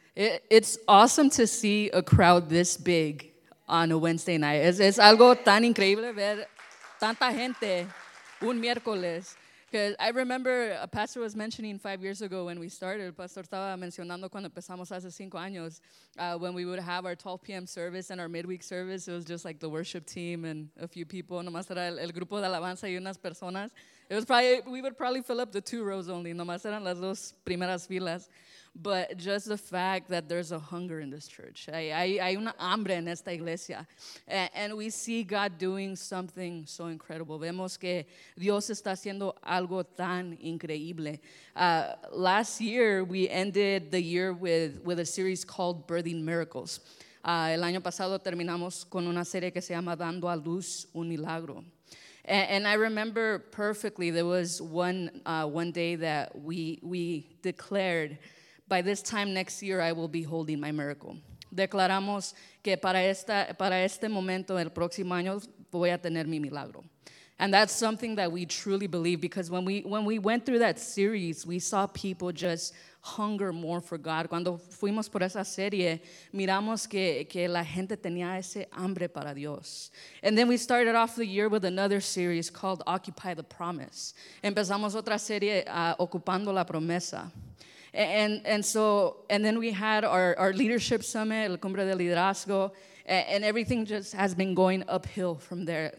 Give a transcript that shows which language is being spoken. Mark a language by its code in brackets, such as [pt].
[en] It's awesome to see a crowd this big on a Wednesday night. [es] Es algo tan increíble ver tanta gente un miércoles. [en] Because I remember a pastor was mentioning 5 years ago when we started, [es] pastor estaba mencionando cuando empezamos hace 5 años, [en] when we would have our 12 p.m. service and our midweek service, it was just like the worship team and a few people, [es] nomás era el grupo de alabanza y unas personas. [en] It was probably, we would probably fill up the two rows only, [es] nomás eran las dos primeras filas. [en] But just the fact that there's a hunger in this church. [es] Hay una hambre en esta iglesia. [en] And we see God doing something so incredible. [es] Vemos que Dios está haciendo algo tan increíble. [en] Last year, we ended the year with a series called Birthing Miracles. [es] El año pasado terminamos con una serie que se llama Dando a Luz un Milagro. [en] And I remember perfectly, there was one day that we declared, by this time next year, I will be holding my miracle. [es] Declaramos que para este momento, el próximo año, voy a tener mi milagro. [en] And that's something that we truly believe, because when we went through that series, we saw people just hunger more for God. [es] Cuando fuimos por esa serie, miramos que la gente tenía ese hambre para Dios. [en] And then we started off the year with another series called Occupy the Promise. [es] Empezamos otra serie, Ocupando la Promesa. [en] And then we had our leadership summit, [es] la cumbre de liderazgo, [en] and everything just has been going uphill from there.